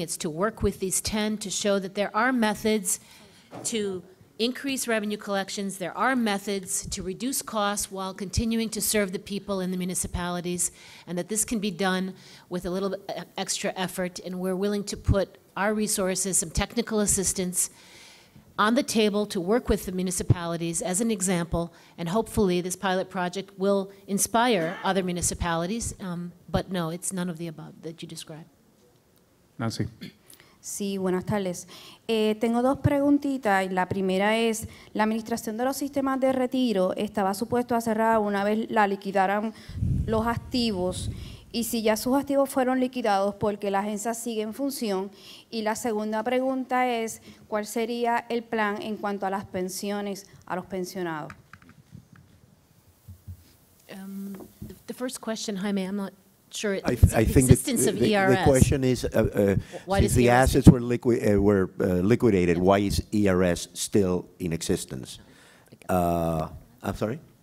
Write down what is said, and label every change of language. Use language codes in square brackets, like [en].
[en] It's to work with these 10 to show that there are methods to increase revenue collections, there are methods to reduce costs while continuing to serve the people in the municipalities, and that this can be done with a little extra effort, and we're willing to put our resources, some technical assistance, on the table to work with the municipalities as an example, and hopefully this pilot project will inspire other municipalities. But no, it's none of the above that you described. Nancy. [es] Sí, buenas tardes. Tengo dos preguntitas. La primera es, la administración de los sistemas de retiro estaba supuesto a cerrar una vez la liquidaran los activos. Y si ya sus activos fueron liquidados, ¿por qué la agencia sigue en función? Y la segunda pregunta es, ¿cuál sería el plan en cuanto a las pensiones a los pensionados? [en] The first question, Jaime, I'm not sure the existence of ERS. The question is, since the assets were liquidated, yeah. Why is ERS still in existence? I'm sorry?